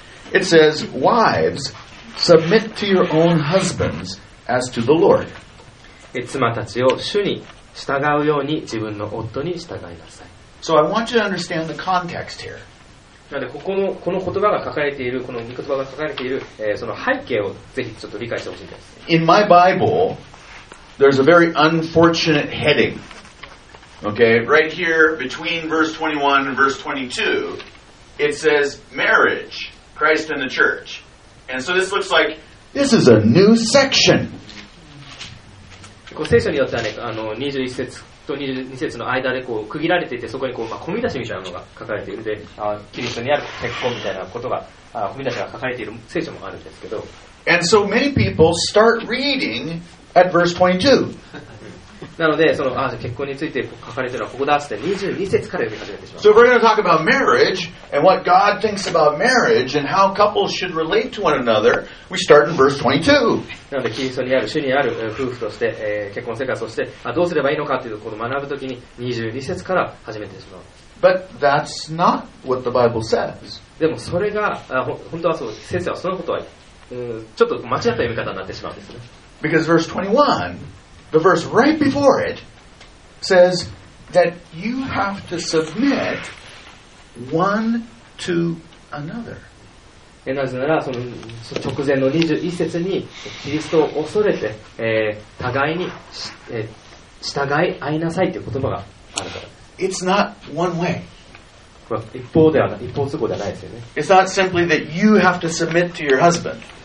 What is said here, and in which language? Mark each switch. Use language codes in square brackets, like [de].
[en] It says, Wives, submit to your own husbands as to the Lord. [ja] 妻たちを主に従うように自分の夫に従いなさい。 [en] So I want you to understand the context here. [ja] なので この言葉が書かれているこの御言葉が書かれている、その背景をぜひちょっと理解してほしいです。 [en] In my Bible, there's a very unfortunate heading. Okay, right here between verse 21 and verse 22, it says marriage, Christ and the church. And so this looks like this is a new section. [ja] 聖書によってはね、21節と22節の間でこう区切られていて、そこにこう、まあ、込み出しみたいなのが書かれているので、あキリストにある結婚みたいなことが、あ込み出しが書かれている聖書もあるんですけど、 [en] And so many people start reading at verse 22. [ja] なのでそのあ結婚について書かれているのはここだって22節から読み始めてしまう。 [en] So we're going to talk about marriage and what God thinks about marriage and how couples should relate to one another. We start in verse 22. [ja] なのでキリストにある主にある夫婦として、結婚生活をしてどうすればいいのかというところを学ぶときに22節から始めてしまう。 [en] But that's not what the Bible says. [ja] でもそれが本当はそう、先生はそのことは、ちょっと間違った読み方になってしまうんですね。 [en] Because verse 21, the verse right before it, says that you have to submit one to another. [ja] なぜならその直前の21節にキリストを恐れて、互いに、従い合いなさいという言葉があるから。 [en] It's not one way. [ja] 一方ではない、一方通行ではないですよね。 [en] It's not simply that you have to submit to your husband.